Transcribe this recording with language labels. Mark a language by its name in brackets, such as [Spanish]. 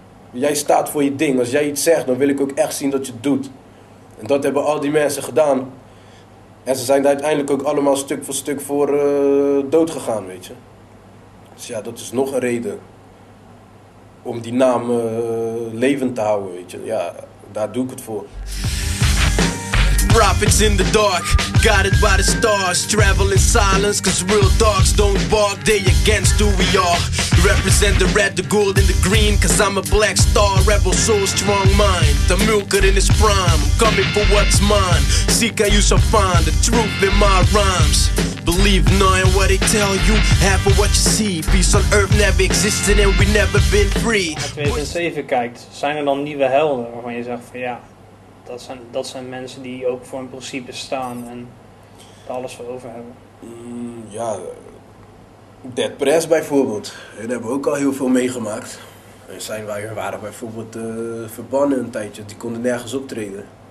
[Dutch] Jij staat voor je ding. Als jij iets zegt, dan wil ik ook echt zien dat je het doet. En dat hebben al die mensen gedaan. En ze zijn daar uiteindelijk ook allemaal stuk voor dood gegaan, weet je. Dus ja, dat is nog een reden om die naam levend te houden, weet je. Ja, daar doe ik het voor. [English] Prophets in the dark, guided by the stars. Travel in silence, cause real dogs don't bark. They against who we are. Represent the red, the gold and the green, cause I'm a black star. Rebel soul, strong mind, the milker in his prime. I'm coming for what's mine. Seek and you shall find the truth in my rhymes. Believe knowing what they tell you, half of what you see. Peace on earth never existed and we never been free. [Dutch] Als je in 7 kijkt, zijn er dan nieuwe helden waarvan je zegt van ja, dat zijn mensen die ook voor een principe staan en daar alles voor over hebben? Ja, Dead Press bijvoorbeeld. Daar hebben we ook al heel veel meegemaakt. Zijn wij waren bijvoorbeeld verbannen een tijdje, die konden nergens optreden.